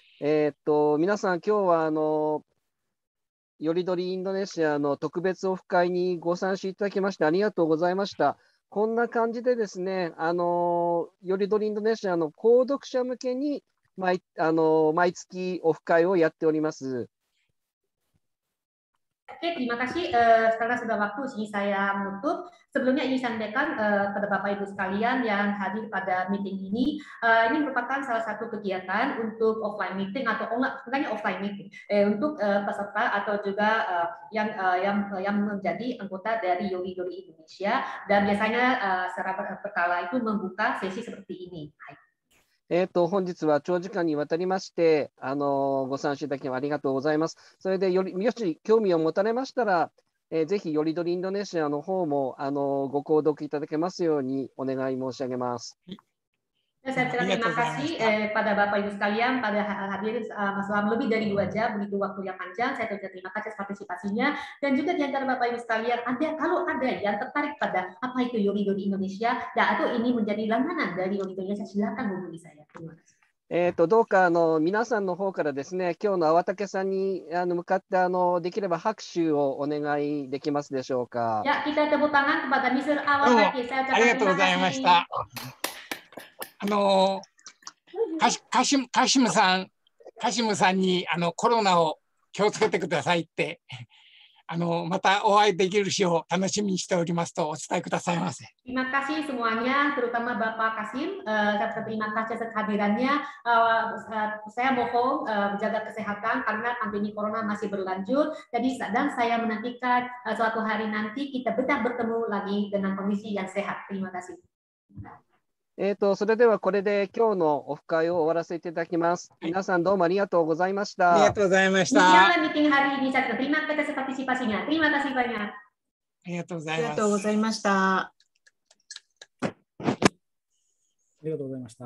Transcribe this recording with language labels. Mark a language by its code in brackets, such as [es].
[ja] 皆さん、今日はよりどりインドネシアの特別オフ会にご参集いただきましてありがとうございました。こんな感じでですね、よりどりインドネシアの購読者向けに毎月オフ会をやっております。 [id] Oke, terima kasih. Sekarang sudah waktu sini saya menutup. Sebelumnya ingin sampaikan kepada Bapak Ibu sekalian yang hadir pada meeting ini. Ini merupakan salah satu kegiatan untuk offline meeting atau online, offline meeting untuk peserta atau juga yang menjadi anggota dari Yori Indonesia, dan biasanya secara berkala itu membuka sesi seperti ini. [ja] 本日は長時間にわたりましてご参集いただきありがとうございます。それでよりもし興味を持たれましたら、ぜひよりどりインドネシアの方もご購読いただけますようにお願い申し上げます。 [id] Terima kasih pada Bapak Ibu sekalian pada hadir selama lebih dari 2 jam begitu waktu yang panjang. Saya terima kasih partisipasinya, dan juga di antara Bapak Ibu sekalian kalau ada yang tertarik pada apa itu Yori Dori Indonesia dan atau ini menjadi langganan dari Yori Dori Indonesia, silakan hubungi saya. [ja] どうか皆さんの方からですね、今日の粟武さんに向かってできれば拍手をお願いできますでしょうか。 [id] いや、kita tepuk tangan kepada Mr. Awatake. [ja] ありがとうございました。 [en] Thank you. [ja] カシムさんにあのコロナを気をつけてくださいってあのまたお会いできる日を楽しみにしておりますとお伝えくださいませ。 [id] terima kasih semuanya terutama Bapak Kasim terima kasih atas kehadirannya saya mohon menjaga kesehatan karena pandemi corona masih berlanjut jadi dan saya menantikan suatu hari nanti kita benar bertemu lagi dengan kondisi yang sehat terima kasih。 [ja] それではこれで今日のオフ会を終わらせていただきます。皆さんどうもありがとうございました。ありがとうございました。ありがとうございました。ありがとうございました。ありがとうございました。ありがとうございました。